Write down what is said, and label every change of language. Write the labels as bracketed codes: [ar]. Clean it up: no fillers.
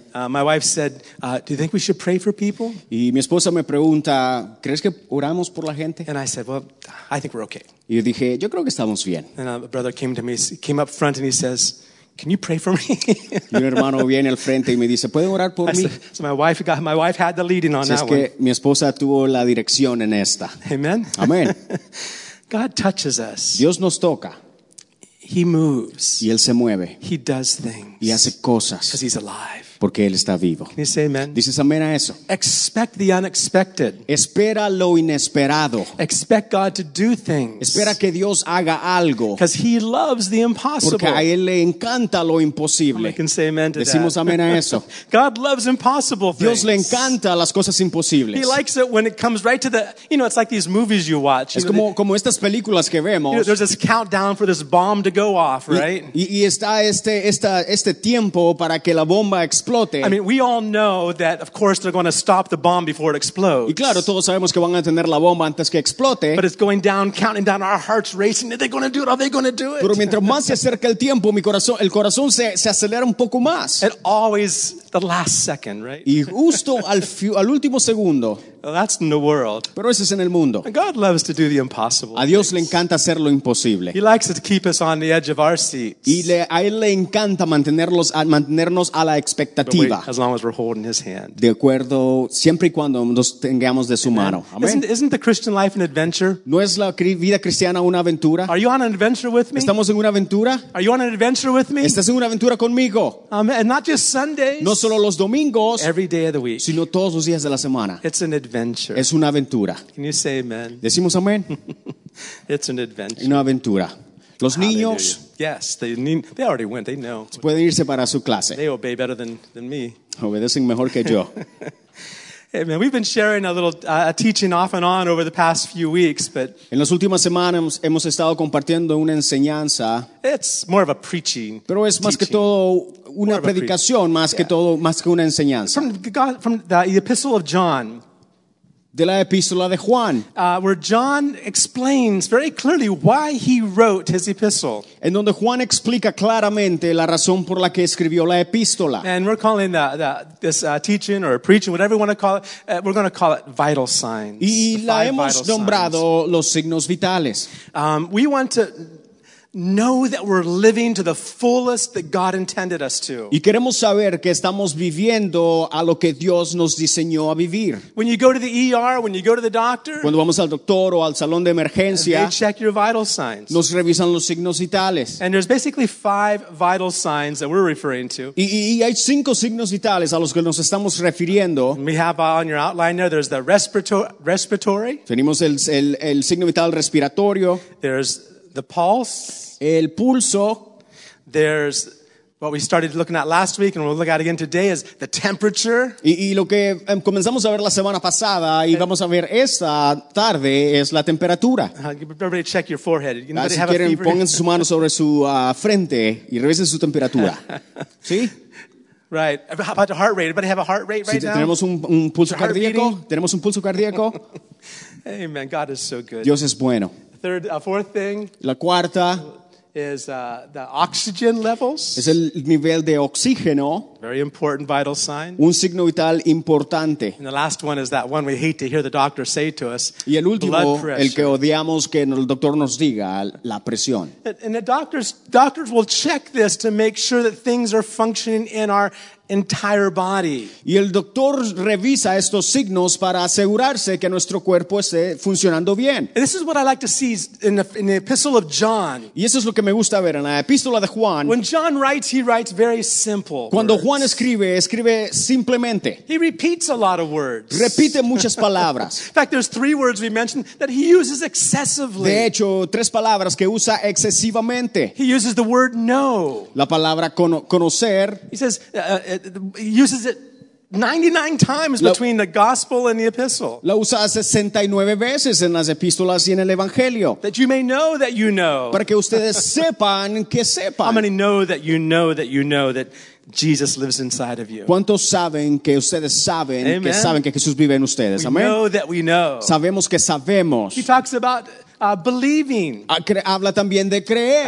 [en] My wife said, "Do you think we should pray for people?" [es] Y mi esposa me pregunta, ¿crees que oramos por la gente? [en] And I said, "Well, I think we're okay." [es] Y dije, yo creo que estamos bien. [en] And a brother came to me, came up front, and he says, "Can you pray for me?" [es] Y un hermano viene al frente y me dice, ¿pueden orar por mí? [en] So my wife had the leading on [es] si [en] that [es] es que [en] one. [es] Mi esposa tuvo la dirección en esta. [en] Amen. [es] Amen. [en] God touches us. [es] Dios nos toca. [en] He moves. [es] Y él se mueve. [en] He does things. [es] Y hace cosas. [en] Because he's alive. [es] Porque él está vivo. [en] Can you say amen? [es] Dices amén a eso. [en] Expect the unexpected. [es] Espera lo inesperado. [en] Expect God to do things. [es] Espera que Dios haga algo. [en] Because he loves the impossible. [es] Porque a él le encanta lo imposible. [en] I can say amen to [es] Decimos [en] that. [es] Amén a eso. [en] God loves impossible things. [es] Dios le encanta las cosas imposibles. [en] He likes it when it comes right to the, you know, it's like these movies you watch. [es] Es como estas películas que vemos. [en] You know, there's this countdown for this bomb to go off, right? [es] Y está este tiempo para que la bomba explote. [en] I mean, we all know that, of course, they're going to stop the bomb before it explodes. [es] Y claro, todos sabemos que van a detener la bomba antes que explote. [en] But it's going down, counting down, our hearts racing. Are they going to do it? Are they going to do it? [es] Pero mientras más se acerca el tiempo, el corazón se acelera un poco más. [en] And always the last second, right? [es] Y justo al último segundo. [en] Well, that's in the world. [es] Pero eso es en el mundo. [en] And God loves to do the impossible. [es] A Dios [en] things. [es] Le encanta hacer lo imposible. [en] He likes to keep us on the edge of our seats. [es] Y a él le encanta mantenernos a la expectativa. [en] But wait, as long as we're holding His hand. [es] De acuerdo, siempre y cuando nos tengamos de su [en] Amen. [es] Mano. Amen. [en] Isn't the Christian life an adventure? [es] ¿No es la vida cristiana una aventura? [en] Are you on an adventure with me? [es] ¿Estamos en una aventura? [en] Are you on an adventure with me? [es] ¿Estás en una aventura conmigo? [en] Amen. And not just Sundays. [es] No solo los domingos. [en] Every day of the week. [es] Sino todos los días de la semana. [en] It's an adventure. [es] Es una aventura. [en] Can you say amen? [es] Decimos amén. [en] It's an adventure. [es] Una aventura. Los niños. [en] Yes, they already went. They know. [es] Pueden irse para su clase. [en] They obey better than me. [es] Obedecen mejor que yo. [en] Amen. We've been sharing a little a teaching off and on over the past few weeks, but [es] en las últimas semanas hemos estado compartiendo una enseñanza. [en] It's more of a preaching. [es] Pero es más [en] teaching. [es] Que todo una predicación, más yeah. que todo más que una enseñanza. [en] From the Epistle of John. [es] De la epístola de Juan. [en] Where John explains very clearly why he wrote his epistle. [es] En donde Juan explica claramente la razón por la que escribió la epístola. [en] And we're calling this teaching or preaching, whatever you want to call it, we're going to call it vital signs. [es] Y la hemos nombrado los signos vitales. [en] We want to know that we're living to the fullest that God intended us to. [es] Y queremos saber que estamos viviendo a lo que Dios nos diseñó a vivir. [en] When you go to the ER, when you go to the doctor, [es] cuando vamos al doctor o al salón de emergencia, [en] they check your vital signs. [es] Nos revisan los signos vitales. [en] And there's basically five vital signs that we're referring to. [es] Y hay cinco signos vitales a los que nos estamos refiriendo. [en] And we have on your outline there. There's the respiratory. [es] Tenemos el signo vital respiratorio. [en] There's the pulse. [es] El pulso. [en] There's what we started looking at last week and we'll look at again today is the temperature. [es] Y lo que comenzamos a ver la semana pasada y vamos a ver esta tarde es la temperatura. [en] Everybody check your forehead. Anybody [es] si quieren, [en] have a fever? [es] Pónganse su mano sobre su frente y revisen su temperatura. ¿Sí? [en] Right. How about the heart rate? Everybody have a heart rate right [es] si [en] now? [es] Tenemos un pulso cardíaco. Tenemos un pulso cardíaco. [en] Amen. God is so good. [es] Dios es bueno. [en] Third, fourth thing. [es] La cuarta [en] is the oxygen levels. [es] Es el nivel de oxígeno. [en] Very important vital sign. [es] Un signo vital importante. [en] And the last one is that one we hate to hear the doctor say to us. [es] Y el último, [en] blood pressure. [es] El que odiamos que el doctor nos diga, la presión. [en] And the doctors will check this to make sure that things are functioning in our entire body. [es] Y el doctor revisa estos signos para asegurarse que nuestro cuerpo esté funcionando bien. [en] And this is what I like to see in the epistle of John. [es] Y eso es lo que me gusta ver en la epístola de Juan. [en] When John writes, he writes very simple. [es] Cuando [en] words. [es] Juan escribe, escribe simplemente. [en] He repeats a lot of words. [es] Repite muchas palabras. [en] In fact, there's three words we mentioned that he uses excessively. [es] De hecho, tres palabras que usa excesivamente. [en] He uses the word know. [es] La palabra conocer. [en] He says uses it 99 times between the gospel and the epistle. [es] La usa 69 veces en las epístolas y en el evangelio. [en] That you may know that you know. [es] Para que ustedes sepan que sepan. [en] How many know that you know that you know that Jesus lives inside of you? [es] ¿Cuántos saben que ustedes saben [en] Amen. [es] Que saben que Jesús vive en ustedes? [en] We Amen. Know that we know. [es] Sabemos que sabemos. [en] He talks about believing. [es] Habla también de creer.